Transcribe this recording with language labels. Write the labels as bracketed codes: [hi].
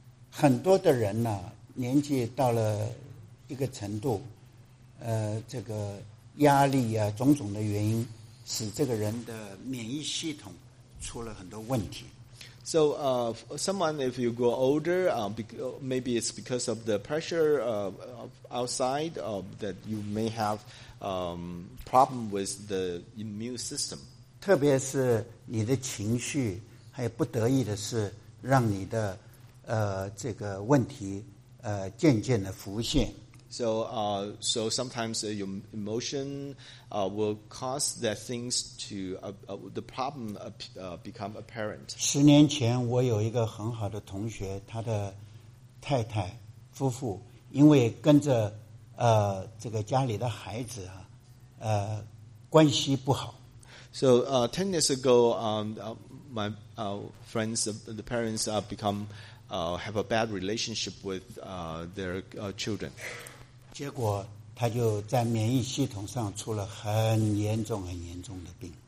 [zh] 很多的人呢，年纪到了一个程度，这个压力啊，种种的原因，使这个人的免疫系统出了很多问题。 [en] So, someone, if you grow older, maybe it's because of the pressure outside that you may have problem with the immune system. [zh] 特别是你的情绪，还有不得已的事，让你的这个问题渐渐的浮现。 [en] So sometimes your emotion will cause that things to the problem become apparent. [zh] 十年前，我有一个很好的同学，他的太太夫妇因为跟着这个家里的孩子啊，关系不好。 [en] So 10 years ago, my friends, the parents become have a bad relationship with their children. [zh] 结果他就在免疫系统上出了很严重很严重的病。